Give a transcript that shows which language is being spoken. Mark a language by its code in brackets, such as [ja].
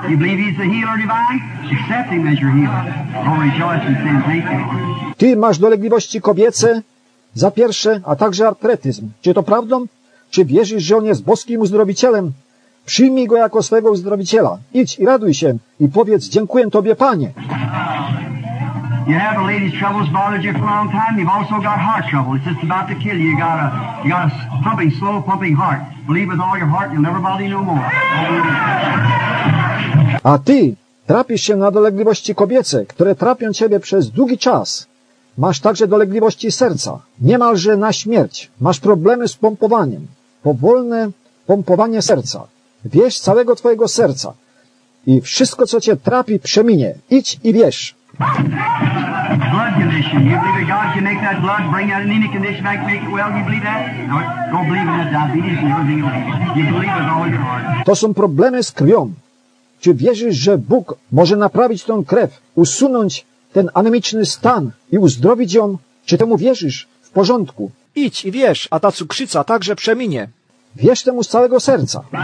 [en] You believe He's the healer divine? Accept Him as your healer. Oh, rejoice and say thank you. [pl] Ty masz dolegliwości kobiece, za pierwsze, a także artretyzm. Czy to prawdą? Czy wierzysz, że On jest boskim uzdrowicielem? Przyjmij Go jako swego uzdrowiciela. Idź i raduj się i powiedz, dziękuję Tobie, Panie. [en] You have a lady's troubles bothered you for a long time. You've also got heart trouble. It's just about to kill you. You got a pumping, slow pumping heart. Believe with all your heart, you'll never bother you no more. [pl] A ty trapisz się na dolegliwości kobiece, które trapią ciebie przez długi czas. Masz także dolegliwości serca, niemalże na śmierć. Masz problemy z pompowaniem, powolne pompowanie serca. Wierz całego twojego serca i wszystko, co cię trapi, przeminie. Idź i wierz. [en] Blood condition. You believe that God can make that blood, bring out any condition, make it well? You believe that? No, don't believe in the diabetes and everything else. You believe with all your heart. [pl] To są problemy z krwią. Czy wierzysz, że Bóg może naprawić tą krew, usunąć ten anemiczny stan i uzdrowić ją? Czy temu wierzysz? W porządku. Idź i wierz, a ta cukrzyca także przeminie. Wierz temu z całego serca.